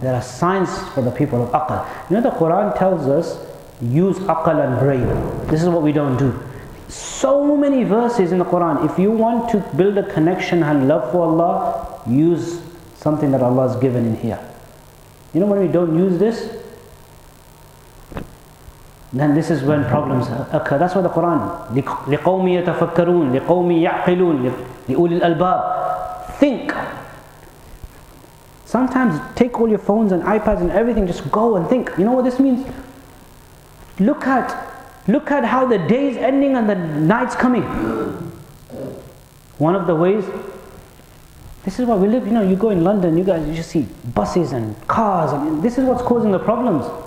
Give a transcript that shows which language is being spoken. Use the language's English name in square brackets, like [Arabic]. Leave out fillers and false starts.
[English] There are signs for the people of Aql. You know, the Quran tells us, use Aql and brain. This is what we don't do. So many verses in the Quran. If you want to build a connection and love for Allah, use something that Allah has given in here. You know, when we don't use this, then this is when problems occur. That's why the Quran, [Arabic] لِقَوْمِ يَتَفَكَّرُونَ لِقَوْمِ يَعْقِلُونَ لِأُولِي الْأَلْبَابِ. [English] Think. Sometimes take all your phones and iPads and everything, just go and think. You know what this means? Look at how the day's ending and the night's coming. One of the ways, this is why we live, you know, you go in London, you guys, you just see buses and cars, and this is what's causing the problems.